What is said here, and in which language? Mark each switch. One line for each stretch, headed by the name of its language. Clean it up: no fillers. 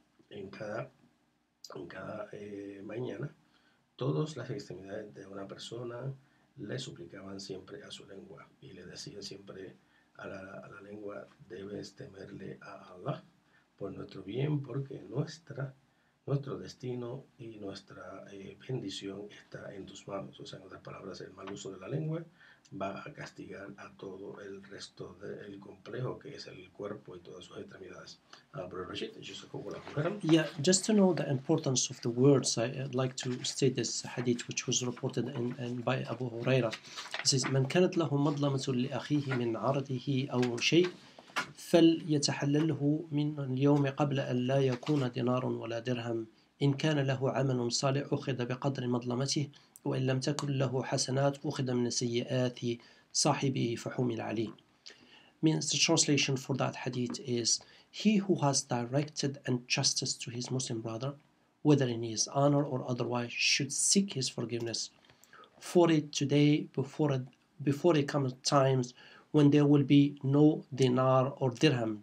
Spanish: En cada mañana, todas las extremidades de una persona le suplicaban siempre a su lengua y le decían siempre a la lengua, debes temerle a Allah por nuestro bien, porque nuestro destino y nuestra bendición está en tus manos. O sea, en otras palabras, el mal uso de la lengua va a castigar a todo el resto del complejo, que es el cuerpo y todas sus extremidades.
English: Brother Rashid, just a couple of words. Yeah, just to know the importance of the words, I'd like to state this hadith, which was reported in by Abu Huraira. It says,
Arabic: من كانت له مظلمة لأخيه من عرضه أو شيء فليتحلله من اليوم قبل أن لا يكون دينار ولا درهم إن كان له عمل صالح أخذ بقدر مظلمته وإن لم تكن له حسنات أخذ من سيئات صاحبه فحمل عليه.
English: means the translation for that hadith is, he who has directed injustice to his Muslim brother, whether in his honor or otherwise, should seek his forgiveness for it today before it comes times when there will be no dinar or dirham.